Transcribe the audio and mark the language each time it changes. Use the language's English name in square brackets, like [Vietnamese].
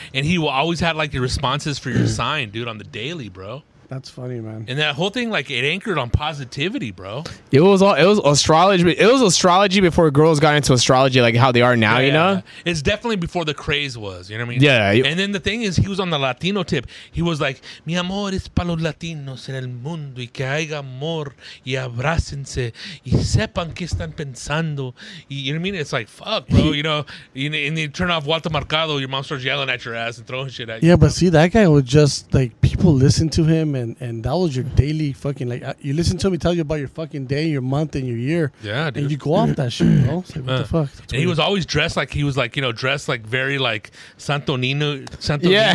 [English] and he always had, like, the responses for your sign, dude, on the daily, bro. That's funny, man. And that whole thing, like, it anchored on positivity, bro. It was all astrology before girls got into astrology, like how they are now, yeah, you know? Yeah. It's definitely before the craze was, you know what I mean? Yeah. And then the thing is, he was on the Latino tip. He was like, [Spanish] mi amor es para los latinos en el mundo y que haya amor y abrácense y sepan que están pensando. [English] You know what I mean? It's like, fuck, bro, you know? And you turn off Walter Mercado, your mom starts yelling at your ass and throwing shit at you. Yeah, but see, that guy was just, like, people listen to him. And that was your daily fucking, like, you listen to me tell you about your fucking day, your month, and your year. Yeah, dude. And you go off that shit, bro. Like, what the fuck? And he was always dressed like, he was like, you know, dressed like very like Santo Nino. Yeah.